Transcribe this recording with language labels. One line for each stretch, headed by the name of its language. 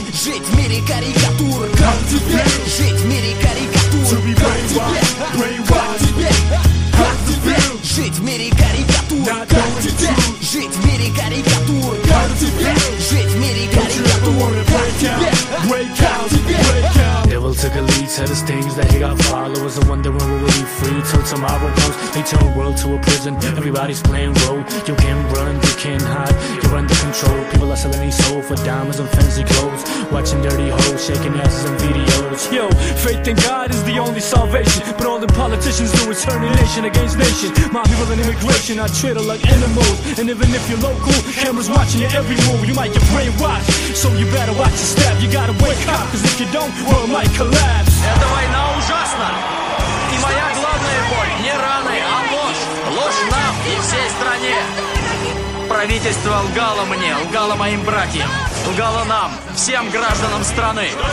Russian: Жить в мире карикатур, как тебе? Жить в мире карикатур, как тебе? Как тебе? Как тебе? Жить в мире карикатур, как тебе? Жить в мире карикатур, как тебе? Жить в мире карикатур, как тебе?
English: Break out, break out. Devil took a lead, said his things that he got followers. I wonder when we will be free till tomorrow comes. They turn world to a prison, everybody's playing role. You can run, you can hide, you're under control. People are selling their soul for diamonds and fancy clothes, watching dirty hoes, shaking asses in videos. Yo, faith in God is the only salvation, but all the politicians do is turning nation against nation. My people in immigration are treated like animals, and even if you're local, cameras watching you every move. You might get brainwashed, so you better watch your step. You gotta wake up, cause if you don't, world might collapse.
Russian: Эта война ужасна, и моя главная боль не раны, а ложь. Ложь нам и всей стране. Правительство лгало мне, лгало моим братьям, лгало нам, всем гражданам страны.